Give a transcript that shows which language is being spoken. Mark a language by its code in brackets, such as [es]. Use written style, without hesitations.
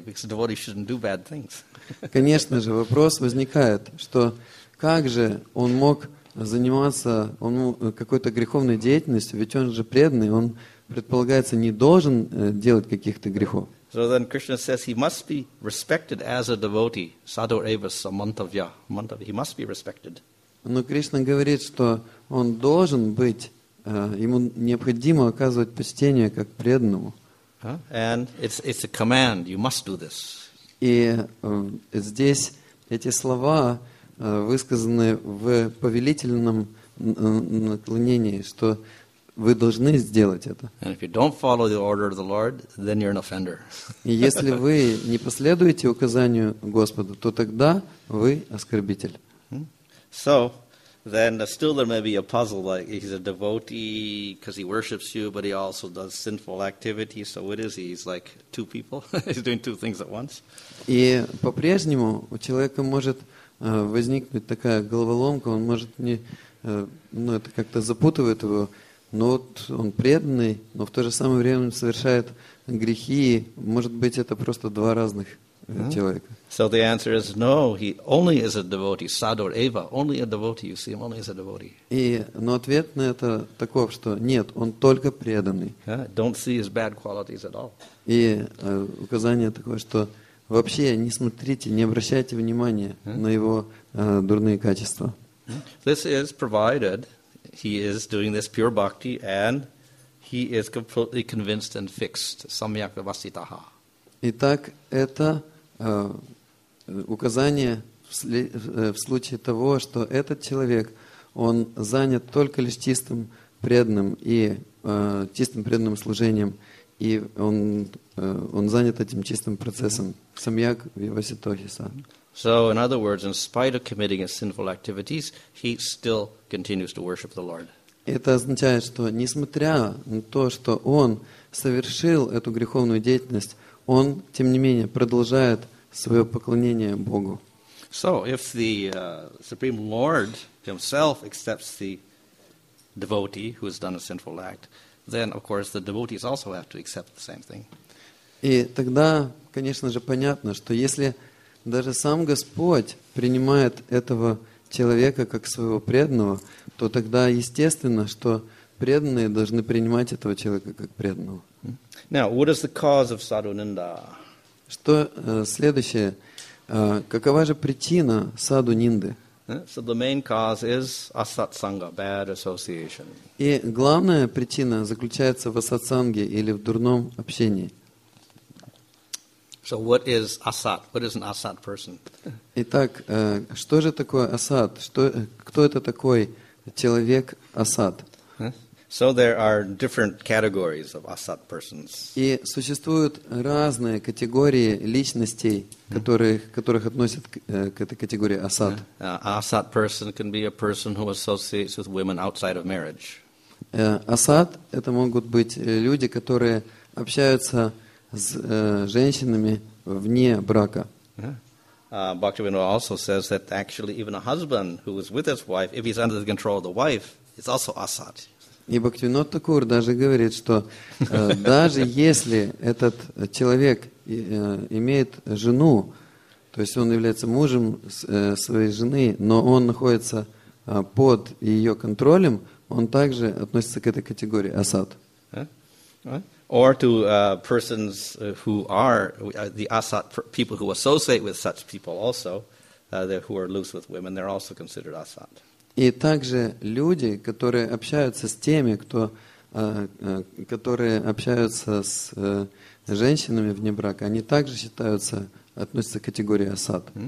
[en] Because a devotee shouldn't do bad things. [ru] Конечно же, вопрос возникает, что как же он мог заниматься какой-то греховной деятельностью, ведь он же преданный, он, предполагается, не должен делать каких-то грехов. [en] So then Krishna says he must be respected as a devotee, [sa] sadhu eva samantavya, [en] he must be respected. [ru] Но Кришна говорит, что он должен быть ему необходимо оказывать почтение как преданному. [en] And it's a command. You must do this. [ru] И здесь эти слова высказаны в повелительном наклонении, что вы должны сделать это. [en] And if you don't follow the order of the Lord, then you're an offender. [ru] И если вы не последуете указанию Господа, то тогда вы оскорбитель. [en] So, then still there may be a puzzle, like he's a devotee because he worships you, but he also does sinful activity. So what is he? He's like two people. He's doing two things at once. [ru] И по-прежнему у человека может возникнуть такая головоломка. Он может не, ну это как-то запутывает его. Но вот он преданный, но в то же самое время он совершает грехи. Может быть, это просто два разных человека. [en] So the answer is no, he only is a devotee, sadhur eva, only a devotee, you see him only as a devotee. [ru] И, но ответ на это таков, что нет, он только преданный. [en] Don't see his bad qualities at all. [ru] И указание такое, что вообще не смотрите, не обращайте внимания на его дурные качества. [en] This is provided he is doing this pure bhakti and he is completely convinced and fixed, samyak vasitaha. [ru] Итак, это указание в случае того, что этот человек, он занят только лишь чистым преданным и чистым преданным служением, и он занят этим чистым процессом. [sa] Самьяк вивасситохиса. [en] So, in other words, in spite of committing his sinful activities, he still continues to worship the Lord. [ru] Это означает, что несмотря на то, что он совершил эту греховную деятельность, он, тем не менее, продолжает свое поклонение Богу. [en] So, if the Supreme Lord himself accepts the devotee who has done a sinful act, then, of course, the devotees also have to accept the same thing. [ru] И тогда, конечно же, понятно, что если даже сам Господь принимает этого человека как своего преданного, то тогда, естественно, что преданные должны принимать этого человека как преданного. [en] Now, what is the cause of sadhu ninda? [ru] Что следующее? Какова же причина sadhu ninda? [en] So the main cause is asatsanga, bad association. [ru] И главная причина заключается в асатсанге или в дурном общении. [en] So what is asat? What is an asat person? [ru] Итак, что же такое асат? Кто это такой человек асат? [en] So there are different categories of asat persons. [ru] И существуют разные категории личностей, которых относят к этой категории асат. [en] Asat person can be a person who associates with women outside of marriage. [ru] Асат это могут быть люди, которые общаются с женщинами вне брака. [en] Bhaktivinoda also says that actually even a husband who is with his wife, if he's under the control of the wife, it's also asat. [ru] И Бхактивинода Такур даже говорит, что даже если этот человек имеет жену, То есть он является мужем своей жены, но он находится под ее контролем, он также относится к этой категории, асад. [en] Or to persons who are the asad, people who associate with such people also, who are loose with women, they're also considered asad. [ru] И также люди, которые общаются с теми, кто, которые общаются с женщинами вне брака, они также считаются, относятся к категории асад.